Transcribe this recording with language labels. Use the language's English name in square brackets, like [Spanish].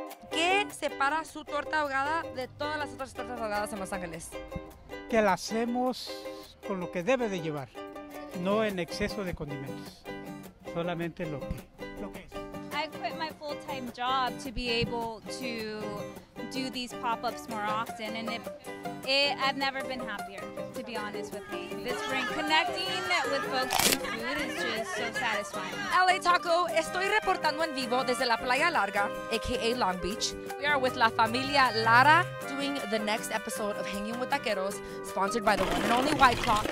[Spanish] ¿Qué separa su torta ahogada de todas las otras tortas ahogadas en Los Ángeles? Que la hacemos con lo que debe de llevar, no en exceso de condimentos, solamente lo que es. [English] I quit my full-time job to be able to do these pop-ups more often, and I've never been happier, to be honest with me. This spring, connecting with folks and food is just so satisfying. [Spanish] LA Taco, estoy reportando en vivo desde la Playa Larga, aka Long Beach. [English] We are with La Familia Lara doing the next episode of Hanging with Taqueros, sponsored by the one and only White Claw.